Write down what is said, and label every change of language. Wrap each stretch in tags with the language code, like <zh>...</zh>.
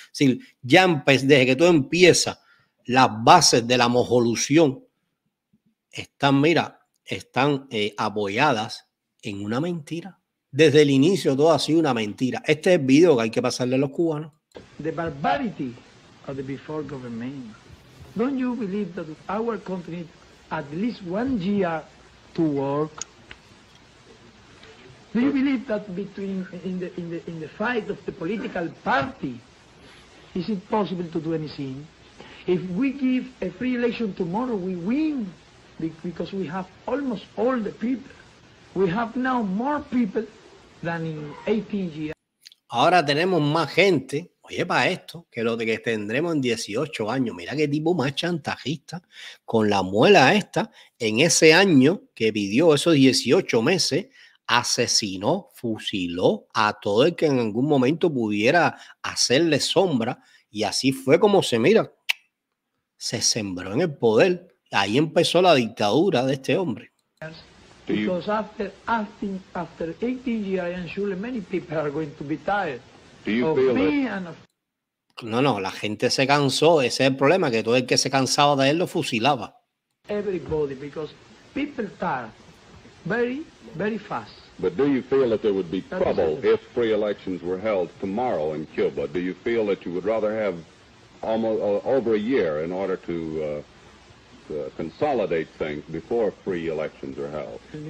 <es>Sí, ya desde que todo empieza, las bases de la mojolución están, mira, están apoyadas en una mentira. Desde el inicio todo ha sido una mentira. Este es el video que hay que pasarle a los cubanos.</es> <en>The barbarity of the before government. Don't you believe that our country needs at least 1 year to work? Do you believe that between in the fight of the political party, is it possible to do anything? If we give a free election tomorrow, we win because we have almost all the people. We have now more people than in 18 years.</en> <es>Ahora tenemos más gente. Oye, para esto, que lo de que tendremos en 18 años. Mira qué tipo más chantajista con la muela esta. En ese año que pidió esos 18 meses, asesinó, fusiló a todo el que en algún momento pudiera hacerle sombra. Y así fue como se mira. Se sembró en el poder. Ahí empezó la dictadura de este hombre.</es> <en>Because after 18 years, I'm sure many people are going to be tired.</en> <es>No, no, la gente se cansó. Ese es el problema, que todo el que se cansaba de él lo fusilaba.</es> <en>Everybody, because people tired very, very fast. But do you feel that there would be trouble if free elections were held tomorrow in Cuba? Do you feel that you would rather have almost over a year in order to consolidate things before free elections are held?</en>